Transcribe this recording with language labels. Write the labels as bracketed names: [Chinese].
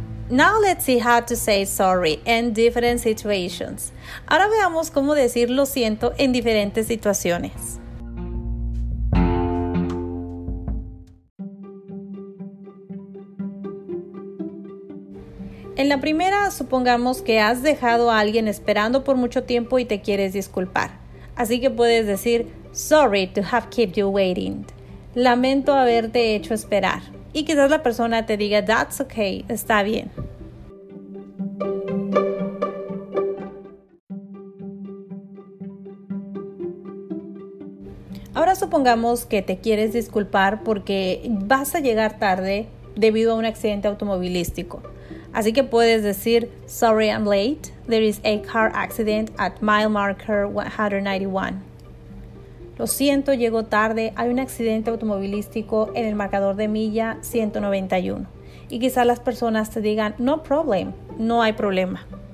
[English] Now let's see how to say sorry in different situations. [Spanish] Ahora veamos cómo decir lo siento en diferentes situaciones. En la primera, supongamos que has dejado a alguien esperando por mucho tiempo y te quieres disculpar. Así que puedes decir, [English] "Sorry to have kept you waiting." [Spanish] Lamento haberte hecho esperar. Y quizás la persona te diga, [English] "That's okay, [Spanish] está bien." Ahora supongamos que te quieres disculpar porque vas a llegar tarde debido a un accidente automovilístico. Así que puedes decir, [English] "Sorry I'm late. There is a car accident at mile marker 191. [Spanish] Lo siento, llego tarde. Hay un accidente automovilístico en el marcador de milla 191. Y quizás las personas te digan, [English] "No problem." [Spanish] No hay problema.